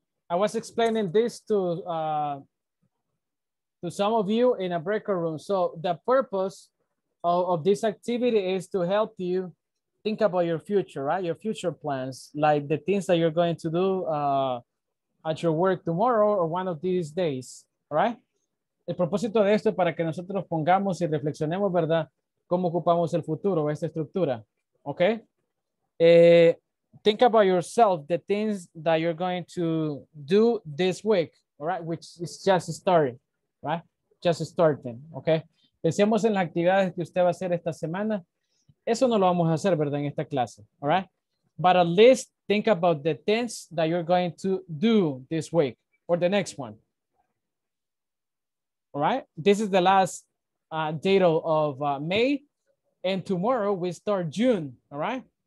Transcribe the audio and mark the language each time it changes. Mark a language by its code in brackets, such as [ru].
[en] I was explaining this to some of you in a breakout room. So the purpose of this activity is to help you think about your future, right? Your future plans, like the things that you're going to do at your work tomorrow or one of these days, right? [es] El propósito de esto es para que nosotros pongamos y reflexionemos, ¿verdad? Cómo ocupamos el futuro, esta estructura, okay? [en] Think about yourself, the things that you're going to do this week, all right? Which is just starting, right? Just starting, okay? [es] Pensemos en las actividades que usted va a hacer esta semana. Eso no lo vamos a hacer, ¿verdad? En esta clase, [en] all right? But at least think about the things that you're going to do this week or the next one, all right? This is the last date of May, and tomorrow we start June, all right?